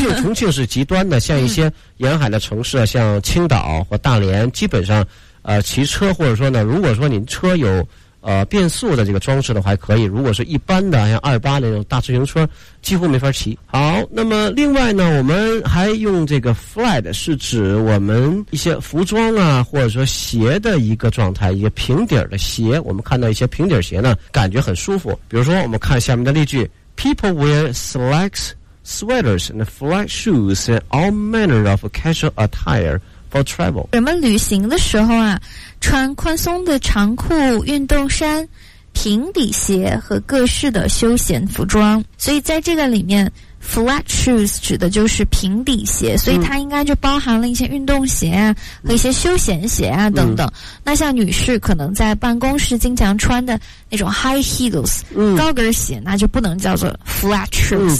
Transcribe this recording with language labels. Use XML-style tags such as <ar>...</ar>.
<zh>重庆是极端的，像一些沿海的城市，像青岛或大连，基本上，骑车或者说呢，如果说您车有变速的这个装置的话，还可以；如果是一般的像二八那种大自行车，几乎没法骑。好，那么另外呢，我们还用这个 flat 是指我们一些服装啊，或者说鞋的一个状态，一个平底的鞋。我们看到一些平底鞋呢，感觉很舒服。比如说，我们看下面的例句。</zh> <en>People wear slacks, sweaters, and flat shoes, and all manner of casual attire for travel.</en> <zh>人们旅行的时候啊，穿宽松的长裤、运动衫、平底鞋和各式的休闲服装。所以在这个里面 flat shoes 指的就是平底鞋，所以它应该就包含了一些运动鞋啊、和一些休闲鞋啊等等、那像女士可能在办公室经常穿的那种 high heels、高跟鞋，那就不能叫做 flat shoes、</zh>